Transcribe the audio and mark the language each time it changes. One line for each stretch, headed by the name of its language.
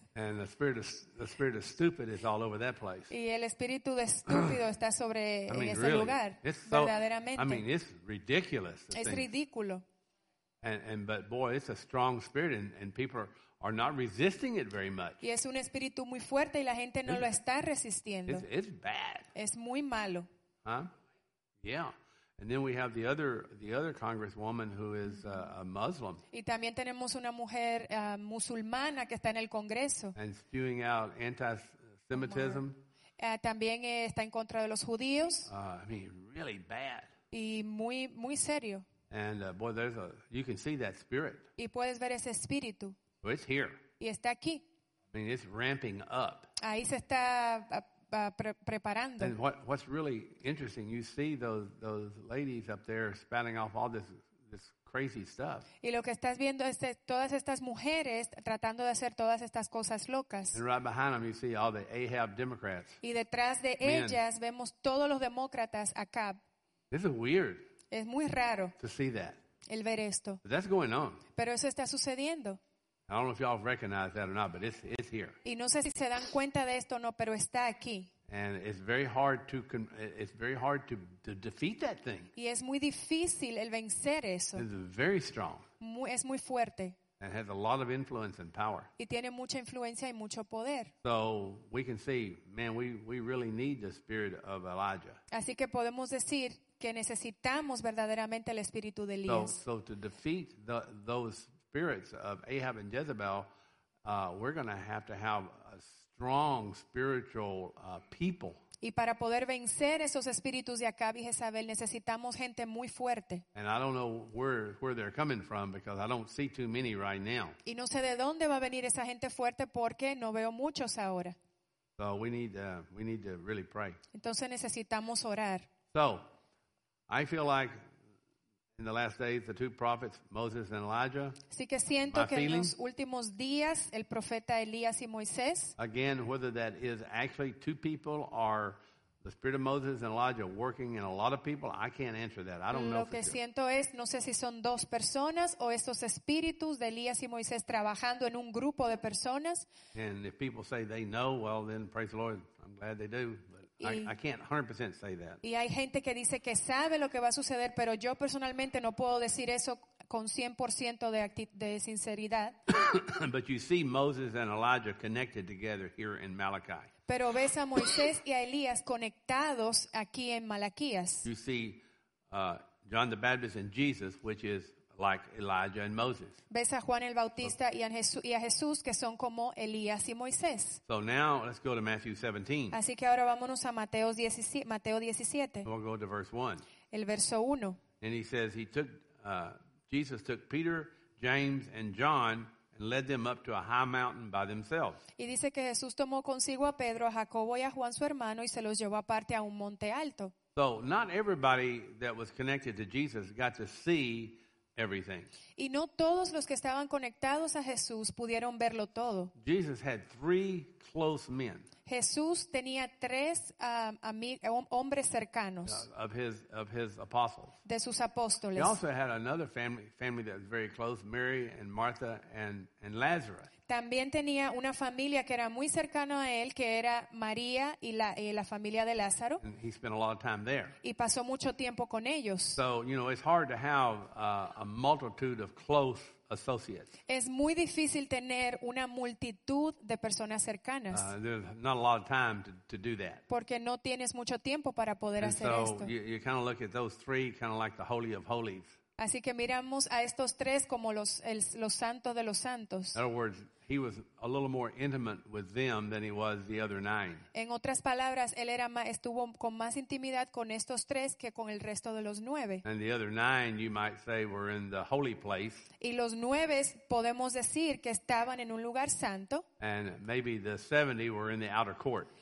English: And the spirit of stupid is all over that place.
Spanish: Y el espíritu de estúpido está sobre ese lugar. Verdaderamente.
English: I mean, it's ridiculous.
Spanish: Es ridículo.
English: And but boy, it's a strong spirit, and people are not resisting it very much.
Spanish: Y es un espíritu muy fuerte y la gente no lo está resistiendo.
English: It's bad.
Spanish: Es muy malo.
English: Huh? Yeah. And then we have the other congresswoman who is a Muslim.
Spanish: Y también tenemos una mujer musulmana que está en el Congreso.
English: And spewing out anti-Semitism.
Spanish: También está en contra de los judíos.
English: I mean, really bad.
Spanish: Y muy muy serio.
English: And boy, there's a you can see that spirit.
Spanish: Y puedes ver ese espíritu.
English: Well, it's here.
Spanish: Y está aquí.
English: I mean, it's ramping up.
Spanish: Ahí se está preparando.
English: And what's really interesting, you see those ladies up there spouting off all this crazy stuff.
Spanish: Y lo que estás viendo es todas estas mujeres tratando de hacer todas estas cosas locas.
English: And right behind them, you see all the Ahab Democrats.
Spanish: Y detrás de ellas vemos todos los demócratas Acab.
English: This is weird.
Spanish: Es muy raro.
English: To see that.
Spanish: El ver esto.
English: But that's going on.
Spanish: Pero eso está sucediendo.
English: I don't know if y'all recognize that or not, but it's here.
Spanish: Y no sé si se dan cuenta de esto o no, pero está aquí.
English: And it's very hard to defeat that thing.
Spanish: Y es muy difícil el vencer eso.
English: It's very strong.
Spanish: Es muy fuerte.
English: And has a lot of influence and power.
Spanish: Y tiene mucha influencia y mucho poder.
English: So we can see, man, we really need the spirit of Elijah.
Spanish: Así que podemos decir que necesitamos verdaderamente el espíritu de Elías.
English: So to defeat those spirits of Ahab and Jezebel, we're going to have a strong spiritual people.
Spanish: Y para poder vencer esos espíritus de Acab y Jezabel, necesitamos gente muy fuerte.
English: And I don't know where they're coming from because I don't see too many right now.
Spanish: Y no sé de dónde va a venir esa gente fuerte porque no veo muchos ahora.
English: So we need to really pray.
Spanish: Entonces necesitamos orar.
English: So I feel like in the last days, the two prophets, Moses and Elijah.
Spanish: Así que siento que en los últimos días, el profeta Elías y Moisés.
English: Again, whether that is actually two people or the spirit of Moses and Elijah working in a lot of people, I can't answer that. I don't know.
Spanish: Lo que siento es, no sé si son dos personas o estos espíritus de Elías y Moisés trabajando en un grupo de personas.
English: And if people say they know, well, then praise the Lord. I'm glad they do. I can't 100% say that.
Spanish: Y hay gente que dice que sabe lo que va a suceder, pero yo personalmente no puedo decir eso con 100% de sinceridad.
English: But you see Moses and Elijah connected together here in Malachi.
Spanish: Pero ves a Moisés y a Elías conectados aquí en Malaquías.
English: You see John the Baptist and Jesus, which is like Elijah and Moses.
Spanish: Ves a Juan el Bautista y a Jesús que son como Elías y Moisés.
English: So now let's go to Matthew 17.
Spanish: Así que ahora vámonos a Mateo 17.
English: We'll go to verse 1.
Spanish: El verso 1.
English: And he says Jesus took Peter, James and John and led them up to a high mountain by themselves.
Spanish: Y dice que Jesús tomó consigo a Pedro, a Jacobo y a Juan su hermano y se los llevó aparte a un monte alto.
English: So not everybody that was connected to Jesus got to see everything.
Spanish: Y no todos los que estaban conectados a Jesús pudieron verlo todo.
English: Jesus had three close men.
Spanish: Jesús tenía tres hombres cercanos.
English: Of his apostles.
Spanish: De sus apóstoles.
English: He also had another family that was very close, Mary and Martha and Lazarus.
Spanish: También tenía una familia que era muy cercana a él, que era María y la familia de Lázaro.
English: And he spent a lot of time there.
Spanish: Y pasó mucho tiempo con ellos.
English: So, you know, it's hard to have a multitude of close associates.
Spanish: Es muy difícil tener una multitud de personas cercanas.
English: There's not a lot of time to do that.
Spanish: Porque no tienes mucho tiempo para poder hacer esto.
English: And so you kind of look at those three kind of like the Holy of Holies.
Spanish: Así que miramos a estos tres como los santos de los santos.
English: In other words, he was a little more intimate with them than he was the other nine.
Spanish: En otras palabras, él estuvo con más intimidad con estos tres que con el resto de los nueve.
English: And the other nine, you might say, were in the holy place.
Spanish: Y los nueve podemos decir que estaban en un lugar santo.
English: And maybe the 70 were in the outer court.